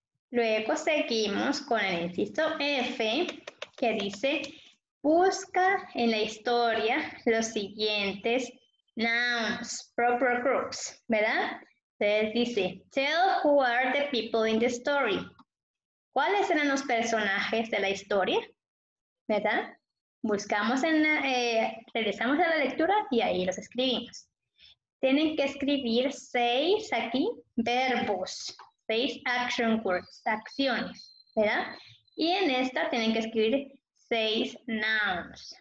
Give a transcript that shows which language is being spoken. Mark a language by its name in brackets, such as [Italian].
[Spanish] Luego seguimos con el inciso F que dice busca en la historia los siguientes [English] nouns, proper groups, [Spanish] ¿verdad? Entonces dice, [English] tell who are the people in the story. [Spanish] ¿Cuáles eran los personajes de la historia? ¿Verdad? Buscamos en la, regresamos a la lectura y ahí los escribimos. Tienen que escribir 6 aquí, verbos, 6 [English] action words, [Spanish] acciones, ¿verdad? Y en esta tienen que escribir 6 nouns.